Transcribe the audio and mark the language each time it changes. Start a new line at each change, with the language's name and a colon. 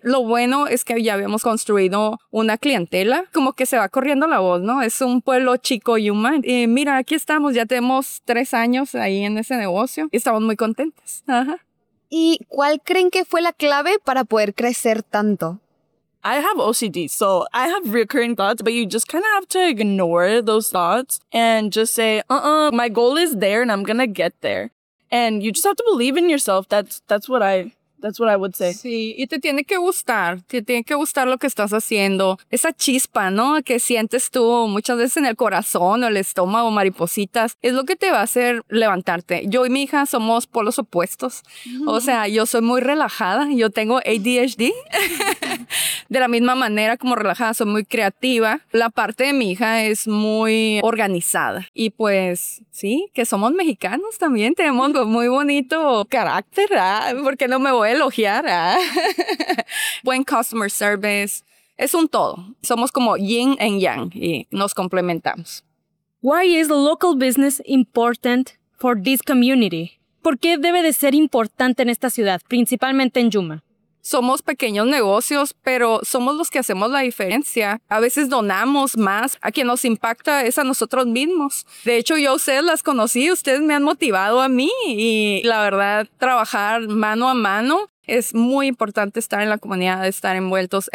Spanish: Lo bueno es que ya habíamos construido una clientela. Como que se va corriendo la voz, ¿no? Es un pueblo chico y humano. Y mira, aquí estamos. Ya tenemos 3 años ahí en ese negocio. Y estamos muy contentos. Ajá. ¿Y cuál creen que fue la clave para poder crecer tanto?
English: I have OCD, so I have recurring thoughts, but you just kind of have to ignore those thoughts and just say, my goal is there and I'm going to get there. And you just have to believe in yourself. That's what I would say.
Spanish: Sí, y te tiene que gustar. Te tiene que gustar lo que estás haciendo. Esa chispa, ¿no? Que sientes tú muchas veces en el corazón o el estómago, maripositas. Es lo que te va a hacer levantarte. Yo y mi hija somos polos opuestos. Mm-hmm. O sea, yo soy muy relajada. Yo tengo ADHD. De la misma manera como relajada, soy muy creativa. La parte de mi hija es muy organizada. Y pues, sí, que somos mexicanos también. Tenemos muy bonito carácter, ¿ah? ¿Por qué no me voy a elogiar, ¿ah? Buen
English: customer service.
Spanish: Es un todo. Somos como yin and yang y nos complementamos.
English: Why is local business important for this community?
Spanish: ¿Por qué debe de ser importante en esta ciudad, principalmente en Yuma? Somos pequeños negocios, pero somos los que hacemos la diferencia. A veces donamos más. A quien nos impacta es a nosotros mismos. De hecho, yo a ustedes las conocí. Ustedes me han motivado a mí. Y la verdad, trabajar mano a mano es muy importante, estar en la comunidad, estar envueltos.